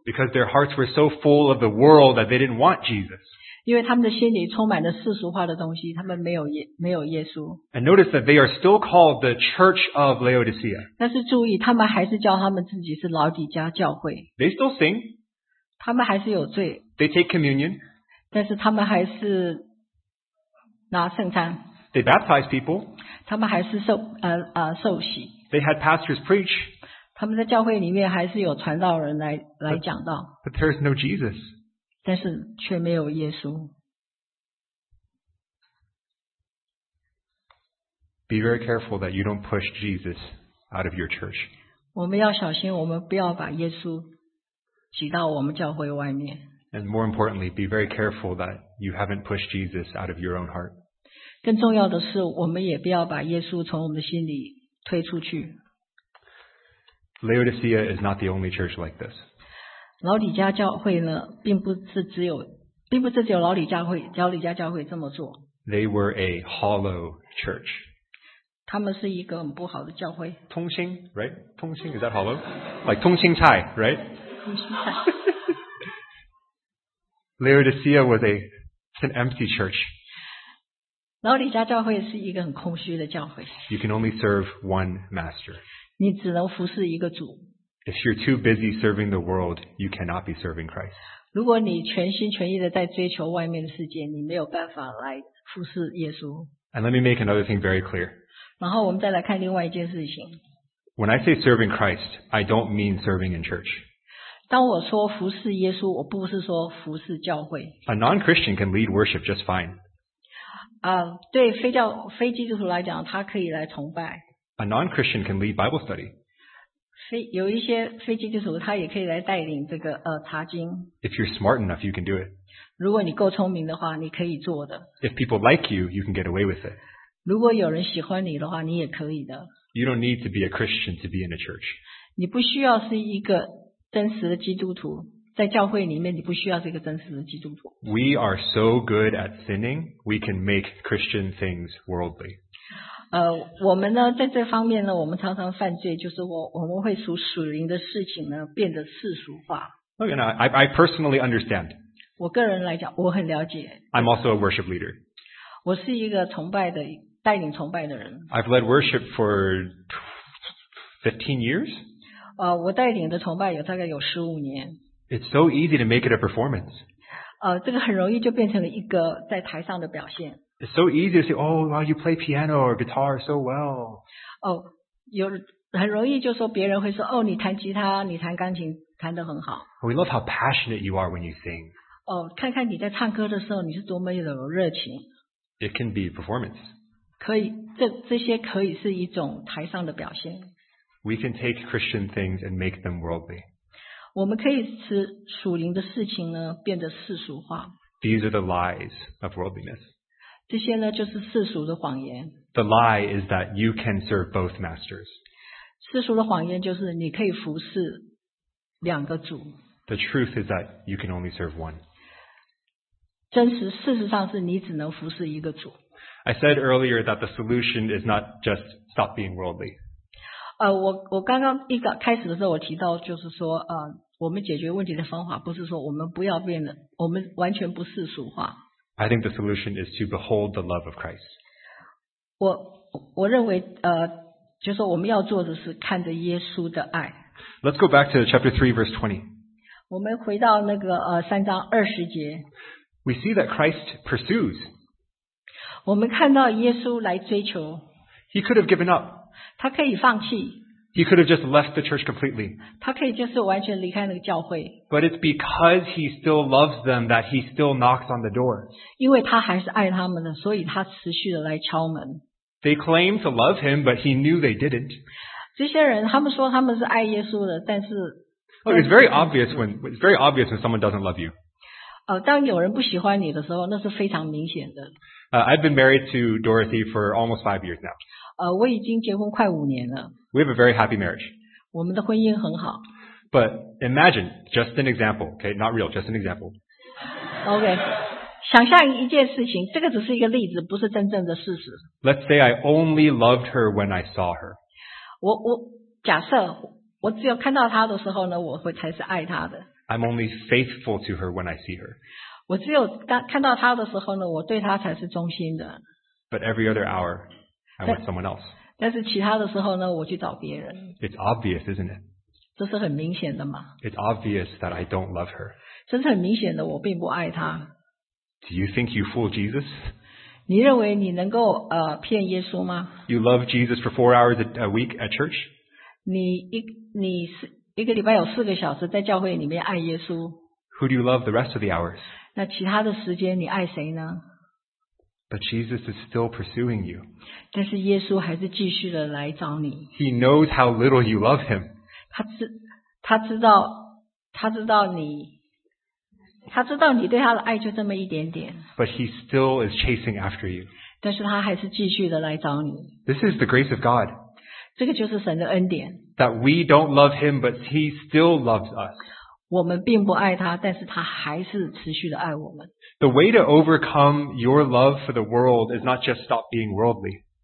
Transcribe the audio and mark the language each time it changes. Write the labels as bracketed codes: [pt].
[en] Because their hearts were so full of the world that they didn't want Jesus. [zh] 因为他们的心里充满了世俗化的东西，他们没有耶稣。 [en] And notice that they are still called the Church of Laodicea. [zh] 但是注意，他们还是叫他们自己是老底家教会。 [en] They still sing. [zh] 他们还是有罪。 [en] They take communion. [zh] 但是他们还是拿圣餐。 [en] They baptize people. [zh] 他们还是受洗。 [en] They had pastors preach. [zh] 他们在教会里面还是有传道人来讲道。 [en] But there is no Jesus. [zh] 但是却没有耶稣。 [en] Be very careful that you don't push Jesus out of your church. [zh] 我们要小心，我们不要把耶稣挤到我们教会外面。 [en] And more importantly, be very careful that you haven't pushed Jesus out of your own heart. [zh] 更重要的是，我们也不要把耶稣从我们的心里推出去。 [en] Laodicea is not the only church like this. [zh] 老底家教会呢，并不是只有老底家教会这么做。 [en] They were a hollow church. [zh] 他们是一个很不好的教会。通心 ， [en] right? 通心 is that hollow? Like 通心菜 ，right? Laodicea was an empty church. [zh] 老底家教会是一个很空虚的教会。 [en] You can only serve one master. [zh] 你只能服侍一个主。 [en] If you're too busy serving the world, you cannot be serving Christ. [zh] 如果你全心全意的在追求外面的世界，你没有办法来服侍耶稣。 [en] And let me make another thing very clear. [zh] 然后我们再来看另外一件事情。 [en] When I say serving Christ, I don't mean serving in church. [zh] 当我说服侍耶稣，我不是说服侍教会。 [en] A non-Christian can lead worship just fine. [zh] 对非教非基督徒来讲，他可以来崇拜。 [en] A non-Christian can lead Bible study. [zh] 有一些非基督徒他也可以来带领这个查经。 [en] If you're smart enough, you can do it. [zh] 如果你够聪明的话，你可以做的。 [en] If people like you, you can get away with it. [zh] 如果有人喜欢你的话，你也可以的。 [en] You don't need to be a Christian to be in a church. [zh] 你不需要是一个真实的基督徒，在教会里面你不需要是一个真实的基督徒。 [en] We are so good at sinning, we can make Christian things worldly. [zh] 我们呢在这方面呢，我们常常犯罪，就是我们会属属灵的事情呢变得世俗化。 [en] Okay, now, I personally understand. [zh] 我个人来讲，我很了解。 [en] I'm also a worship leader. [zh] 我是一个崇拜的带领崇拜的人。 [en] I've led worship for 15 years. [zh] 我带领的崇拜有大概有15年。 [en] It's so easy to make it a performance. [zh] 这个很容易就变成了一个在台上的表现。 [en] It's so easy to say, oh, wow, you play piano or guitar so well. [zh] 有很容易就说别人会说，哦，你弹吉他，你弹钢琴弹得很好。 [en] We love how passionate you are when you sing. [zh] 看看你在唱歌的时候，你是多么有热情。 [en] It can be a performance. [zh] 可以，这些可以是一种台上的表现。 [en] We can take Christian things and make them worldly. [zh] 我们可以使属灵的事情呢变得世俗化。 [en] These are the lies of worldliness. [zh] 这些呢就是世俗的谎言。 [en] The lie is that you can serve both masters. [zh] 世俗的谎言就是你可以服侍两个主。 [en] The truth is that you can only serve one. [zh] 真实事实上是你只能服侍一个主。 [en] I said earlier that the solution is not just stop being worldly. [zh] 我刚刚一个开始的时候，我提到就是说，我们解决问题的方法不是说我们不要变得，我们完全不世俗化。 [en] I think the solution is to behold the love of Christ. [zh] 我认为，就是说我们要做的是看着耶稣的爱。 [en] Let's go back to chapter 3, verse 20. [zh] 我们回到那个三章二十节。 [en] We see that Christ pursues. [zh] 我们看到耶稣来追求。 [en] He could have given up. [zh] 他可以放弃。 [en] He could have just left the church completely. [zh] 他可以就是完全离开那个教会。 [en] But it's because he still loves them that he still knocks on the door. [zh] 因为他还是爱他们的，所以他持续的来敲门。 [en] They claim to love him, but he knew they didn't. [zh] 这些人，他们说他们是爱耶稣的，但是。 [en] Oh, it's very obvious when someone doesn't love you. [zh] 当有人不喜欢你的时候，那是非常明显的。 [en] I've been married to Dorothy for almost 5 years now. [zh] 我已经结婚快五年了。 [en] We have a very happy marriage. [zh] 我们的婚姻很好。 [en] But imagine, just an example, okay, not real, just an example. [zh] Okay, 想象一件事情，这个只是一个例子，不是真正的事实。 [en] Let's say I only loved her when I saw her. [zh] 我假设我只有看到她的时候呢，我会才是爱她的。 [en] I'm only faithful to her when I see her. [zh] 我只有看到她的时候呢，我对她才是忠心的。 [en] But every other hour, I want someone else. [zh] 但是其他的时候呢，我去找别人。 [en] It's obvious, isn't it? [zh] 这是很明显的嘛。 [en] It's obvious that I don't love her. [zh] 这是很明显的，我并不爱她。 [en] Do you think you fool Jesus? [zh] 你认为你能够骗耶稣吗？ [en] You love Jesus for 4 hours a week at church? [zh] 你是。一个礼拜有四个小时在教会里面爱耶稣。 [en] Who do you love the rest of the hours? [zh] 那其他的时间你爱谁呢？ [en] But Jesus is still pursuing you. [zh] 但是耶稣还是继续的来找你。 [en] He knows how little you love him. [zh] 他知道你对他的爱就这么一点点。 [en] But he still is chasing after you. [zh] 但是他还是继续的来找你。 [en] This is the grace of God. [zh] 这个就是神的恩典。 [en] That we don't love him, but he still loves us. [zh] 我们并不爱他，但是他还是持续的爱我们。 [en] The way to overcome your love for the world is not just stop being worldly.